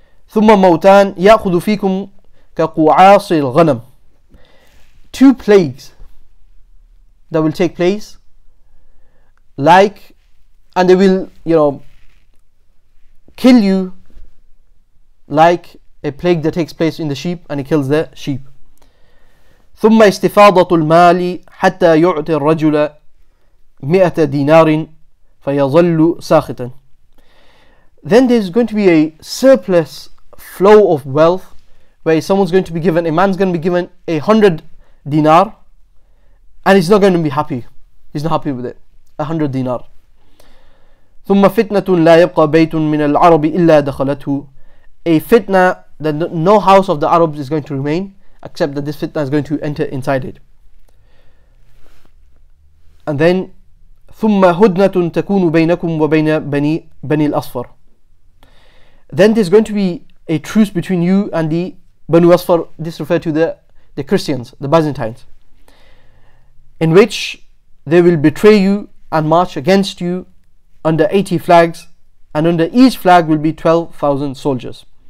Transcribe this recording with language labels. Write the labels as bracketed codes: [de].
[ar] ثم موتان يأخذ فيكم كقعاص الغنم, [en] 2 plagues that will take place, like, and they will, you know, kill you like a plague that takes place in the sheep and it kills the sheep. [ar] ثم استفاضة المال حتى يعطي الرجل 100 دينار فيظل ساخطا. [en] Then there's going to be a surplus flow of wealth where someone's going to be given, a man's going to be given 100 dinar and he's not going to be happy. He's not happy with it. 100 dinar. [ar] ثم فتنة لا يبقى بيت من العرب إلا دخلته. [en] A fitna that no house of the Arabs is going to remain except that this fitna is going to enter inside it. And then [ar] ثم هدنة تكون بينكم وبين بني الأصفر. [en] Then there's going to be a truce between you and the Banu Asfar. This refers to the Christians, the Byzantines, in which they will betray you and march against you under 80 flags, and under each flag will be 12,000 soldiers.